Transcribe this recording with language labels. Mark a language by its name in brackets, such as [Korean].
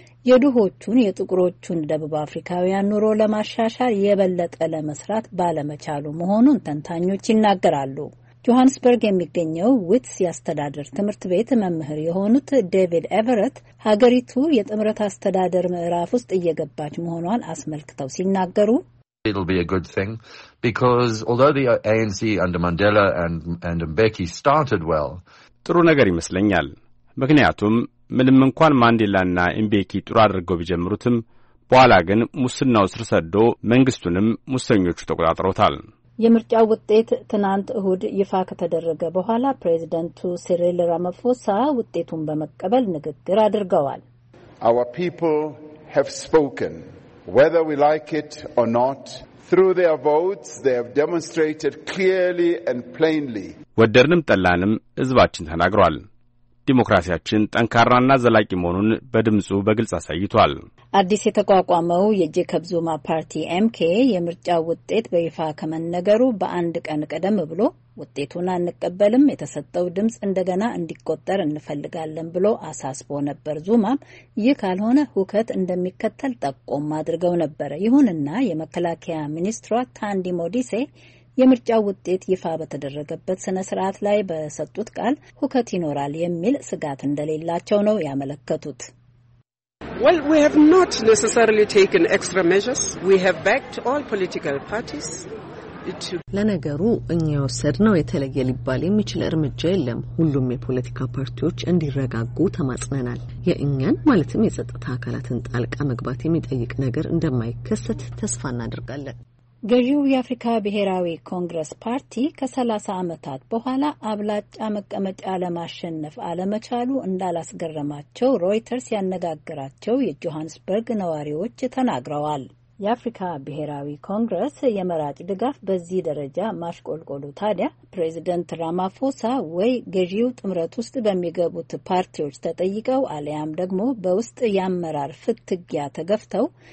[Amharic] የድሆቹን የጥቁሮቹን ደቡብ አፍሪካውያን ኑሮ ለማሻሻል የበለጠ ለመስራት ባለመቻሉ መሆኑን ተንታኞች ይናገራሉ። ጆሃንስበርግ የሚገኘው ዊትስ ያስተዳደር ትምህርት ቤት መምህር የሆኑት ዴቪድ ኤቨረት ሀገሪቱ የጥምረት አስተዳደር ምዕራፍ ውስጥ እየገባች መሆኗን አስመልክተው ሲናገሩ [English] It'll be a good thing because although the ANC under Mandela and Mbeki started well [Amharic] ጥሩ ነገር ይመስለኛል። ምክንያቱም ምንም እንኳን ማንዴላና ኢምቤኪ ጥሩ አድርገው ቢጀምሩትም በኋላ ግን ሙስናው ስር ሰዶ መንግስቱንም ሙሰኞቹ ተቆጣጥረውታል። የምርጫው ውጤት ትናንት እሁድ ይፋ ከተደረገ በኋላ ፕሬዚደንቱ ሲሪል ራማፎሳ ውጤቱን በመቀበል ንግግር አድርገዋል። [English] Our people have spoken, whether we like it or not. Through their votes, they have demonstrated clearly and plainly. [Amharic] ወደርንም ጠላንም ህዝባችን ተናግሯል። ዲሞክራሲያችን ጠንካራና ዘላቂ መሆኑን በድምጹ በግልጽ አሳይቷል። አዲስ የተቋቋመው የጄከብ ዙማ ፓርቲ MK የምርጫው ውጤት በይፋ ከመነገሩ በአንድ ቀን ቀደም ብሎ ውጤቱን አንቀበልም፣ የተሰጠው ድምጽ እንደገና እንዲቆጠር እንፈልጋለን ብሎ አሳስቦ ነበር። ዙማ ይህ ካልሆነ ሁከት እንደሚከተል ጠቆም አድርገው ነበር። ይሁንና የመከላከያ ሚኒስትሯ ታንዲ ሞዲሴ የምርጫው ውጤት ይፋ በተደረገበት ስነ ስርዓት ላይ በሰጡት ቃል ሁከት ይኖራል የሚል ስጋት እንደሌላቸው ነው ያመለከቱት። [English] Well, we have not necessarily taken extra measures. We have backed all political parties. [Amharic] ለነገሩ እኛው ሰድነው የተለየ ሊባል የሚችል እርምጃ የለም። ሁሉም የፖለቲካ ፓርቲዎች እንዲረጋጉ ተማጽነናል። የእኛን ማለትም የጸጥታ አካላትን ጣልቃ መግባት የሚጠይቅ ነገር እንደማይከሰት ተስፋ እናደርጋለን። ገዢው የአፍሪካ ብሔራዊ ኮንግረስ ፓርቲ ከ30 ዓመታት በኋላ አብላጫ መቀመጫ ለማሸነፍ አለመቻሉ እንዳላስገረማቸው ሮይተርስ ያነጋገራቸው የጆሃንስበርግ ነዋሪዎች ተናግረዋል። የአፍሪካ ብሔራዊ ኮንግረስ የመራጭ ድጋፍ በዚህ ደረጃ ማሽቆልቆሉ ታዲያ ፕሬዚደንት ራማፎሳ ወይ ገዢው ጥምረት ውስጥ በሚገቡት ፓርቲዎች ተጠይቀው አለያም ደግሞ በውስጥ ያመራር ፍትጊያ ተገፍተው